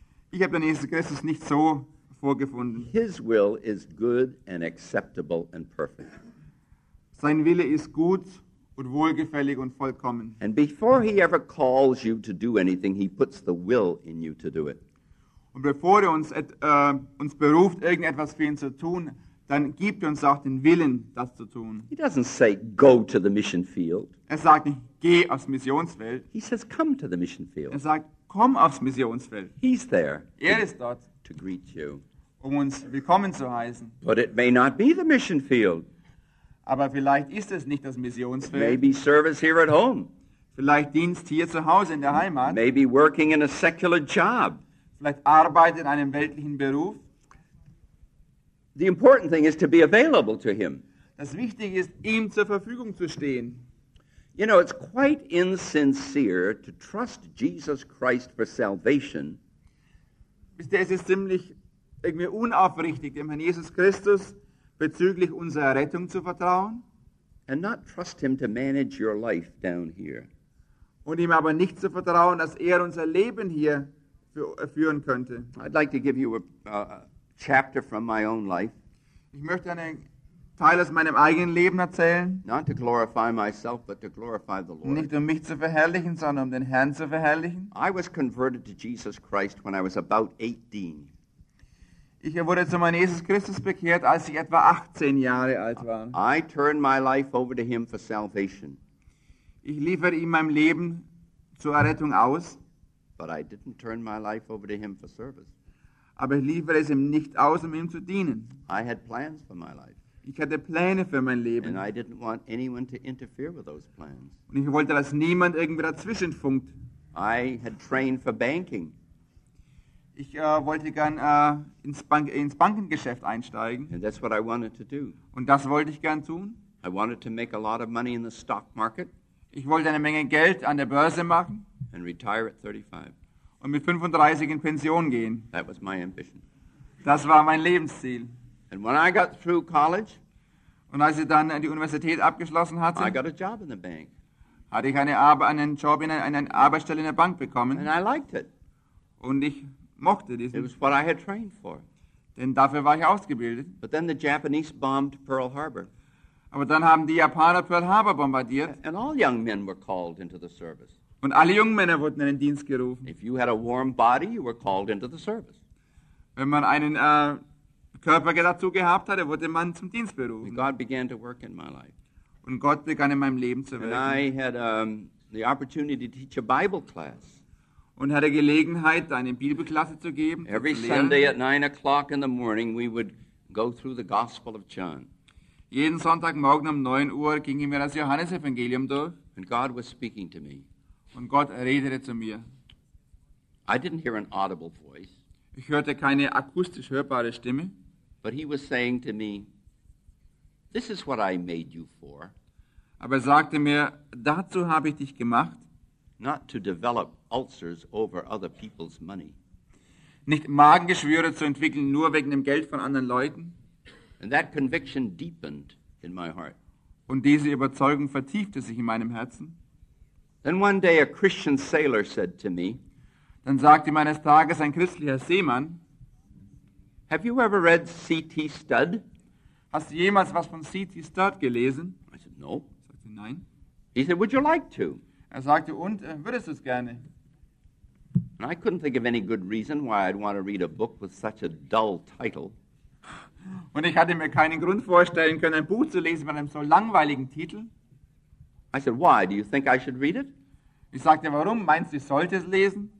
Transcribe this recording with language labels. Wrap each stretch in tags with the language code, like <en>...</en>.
<de>Ich habe den Jesus Christus nicht so vorgefunden.</de> <en>His will is good and acceptable and perfect.</en> <de>Sein Wille ist gut und wohlgefällig und vollkommen.</de> <en>And before he ever calls you to do anything, he puts the will in you to do it.</en> <de>Und bevor er uns beruft, irgendetwas für ihn zu tun, dann gibt er uns auch den Willen, das zu tun.</de> <en>He doesn't say, go to the mission field.</en> <de>Er sagt nicht, geh aufs Missionsfeld.</de> <en>He says, come to the mission field.</en> <de>Er sagt, komm aufs Missionsfeld.</de> <en>He's there.</en> <de>Er ist dort.</de> <en>To greet you.</en> <de>Um uns willkommen zu heißen.</de> <en>But it may not be the mission field.</en> <de>Aber vielleicht ist es nicht das Missionsfeld.</de> <en>Maybe service here at home.</en> <de>Vielleicht Dienst hier zu Hause in der Heimat.</de> <en>Maybe working in a secular job.</en> <de>Vielleicht Arbeit in einem weltlichen Beruf.</de> <en>The important thing is to be available to him.</en> <de>Das Wichtige ist, ihm zur Verfügung zu stehen.</de> <en>You know, it's quite insincere to trust Jesus Christ for salvation.</en> <de>Wisst ihr, es ist ziemlich irgendwie unaufrichtig, dem Herrn Jesus Christus bezüglich unserer Rettung zu vertrauen.</de> <en>And not trust him to manage your life down here.</en> <de>Und ihm aber nicht zu vertrauen, dass er unser Leben hier führen könnte.</de> <en>I'd like to give you a chapter from my own life.</en> <de>Ich möchte einen Teil aus meinem eigenen Leben erzählen.</de> <en>Not to glorify myself, but to glorify the Lord.</en> <de>Nicht um mich zu verherrlichen, sondern um den Herrn zu verherrlichen.</de> <en>I was converted to Jesus Christ when I was about 18.</en> <de>Ich wurde zu meinem Jesus Christus bekehrt, als ich etwa 18 Jahre alt war.</de> <en>I turned my life over to him for salvation.</en> <de>Ich lieferte ihm mein Leben zur Errettung aus.</de> <en>But I didn't turn my life over to him for service.</en> <de>Aber ich liefere es ihm nicht aus, um ihm zu dienen.</de> <en>I had plans for my life.</en> <de>Ich hatte Pläne für mein Leben.</de> <en>And I didn't want anyone to interfere with those plans.</en> <de>Und ich wollte, dass niemand irgendwie dazwischen funkt.</de> <en>I had trained for banking.</en> <de>Ich wollte gern ins Bankengeschäft einsteigen.</de> <en>And that's what I wanted to do.</en> <de>Und das wollte ich gern tun.</de> <en>I wanted to make a lot of money in the stock market.</en> <de>Ich wollte eine Menge Geld an der Börse machen.</de> <en>And retire at 35.</en> <de>Und mit 35 in Pension gehen.</de> <en>That was my ambition.</en> <de>Das war mein Lebensziel.</de> <en>And when I got through college,</en> <de>und als ich dann die Universität abgeschlossen hatte,</de> <en>I got a job in the bank.</en> <de>Hatte ich eine Arbeitsstelle in der Bank bekommen.</de> <en>And I liked it.</en> <de>Und ich mochte diesen.</de> <en>It was what I had trained for.</en> <de>Denn dafür war ich ausgebildet.</de> <en>But then the Japanese bombed Pearl Harbor.</en> <de>Aber dann haben die Japaner Pearl Harbor bombardiert.</de> <en>And all young men were called into the service.</en> <de>Und alle jungen Männer wurden in den Dienst gerufen.</de> <en>If you had a warm body, you were called into the service.</en> <de>Wenn man einen Körper dazu gehabt hatte, wurde man zum Dienst berufen.</de> <en>And God began to work in my life.</en> <de>Und Gott begann in meinem Leben zu wirken.</de> <en>And I had the opportunity to teach a Bible class.</en> <de>Und hatte Gelegenheit, eine Bibelklasse zu geben.</de> <en>Every Sunday at 9 o'clock in the morning, we would go through the Gospel of John.</en> <de>Jeden Sonntagmorgen um 9 Uhr gingen wir das Johannesevangelium durch.</de> <en>And God was speaking to me.</en> <de>Und Gott redete zu mir.</de> <en>I didn't hear an audible voice.</en> <de>Ich hörte keine akustisch hörbare Stimme.</de> <en>But he was saying to me, This is what I made you for.</en> <de>Aber er sagte mir, dazu habe ich dich gemacht.</de> <en>Not to develop ulcers over other people's money.</en> <de>Nicht Magengeschwüre zu entwickeln, nur wegen dem Geld von anderen Leuten.</de> <en>And that conviction deepened in my heart.</en> <de>Und diese Überzeugung vertiefte sich in meinem Herzen.</de> <en>Then one day a Christian sailor said to me,</en> <de>dann sagte mir eines Tages ein christlicher Seemann,</de> <en>have you ever read C.T. Studd?</en> <de>Hast du jemals was von C.T. Studd gelesen?</de> <en>I said, no.</en> <de>Sagte, nein.</de> <en>He said, would you like to?</en> <de>Er sagte, und, würdest du es gerne?</de> <en>And I couldn't think of any good reason why I'd want to read a book with such a dull title.</en> <de>Und ich hatte mir keinen Grund vorstellen können, ein Buch zu lesen mit einem so langweiligen Titel.</de> <en>I said, why, do you think I should read it?</en> <de>Ich sagte, warum, meinst du, ich sollte es lesen?</de>